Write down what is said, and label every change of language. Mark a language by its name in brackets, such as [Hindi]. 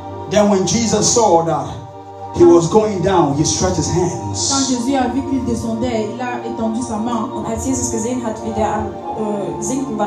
[English] Then when Jesus saw that he was going down, he stretched his hands. [French] Quand Jésus a vu qu'il descendait, il a étendu sa main. [German] Und als Jesus gesehen hat, wie der sinken war,